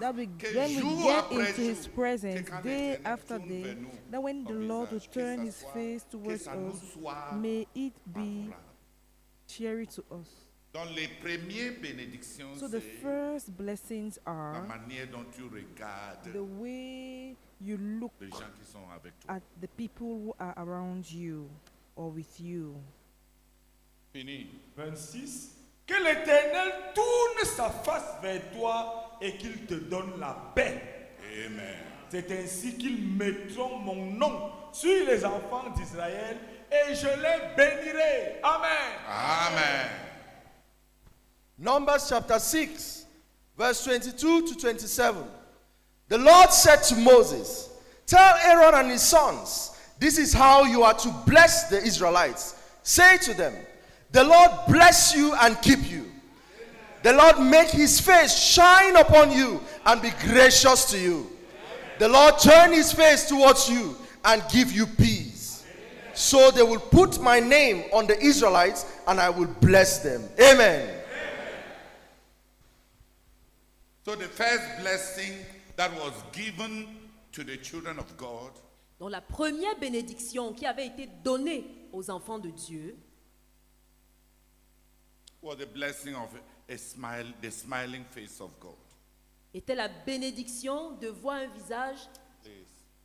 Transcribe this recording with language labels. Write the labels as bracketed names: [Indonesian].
[English] that we get into jour, his presence day after day, that when the Lord will turn his face towards us, may it be cheery to us. [French] Donc les premières bénédictions, [English] so the first blessings are [French] la manière dont tu regardes [English] the way you look [French] les gens qui sont avec toi. [English] At the people who are around you or with you. [French] Fini. 26. Que l'Éternel tourne sa face vers toi et qu'il te donne la paix. Amen. C'est ainsi qu'ils mettront mon nom sur les enfants d'Israël et je les bénirai. Amen. Amen. [English] Numbers chapter 6, verse 22 to 27. The Lord said to Moses, tell Aaron and his sons, this is how you are to bless the Israelites. Say to them, the Lord bless you and keep you. The Lord make his face shine upon you and be gracious to you. The Lord turn his face towards you and give you peace. So they will put my name on the Israelites and I will bless them. Amen. So the first blessing that was given to the children of God. [French] Donc la première bénédiction qui avait été donnée aux enfants de Dieu. [English] Was the blessing of a smile, the smiling face of God. [French] Était la bénédiction de voir un visage. [English] Yes.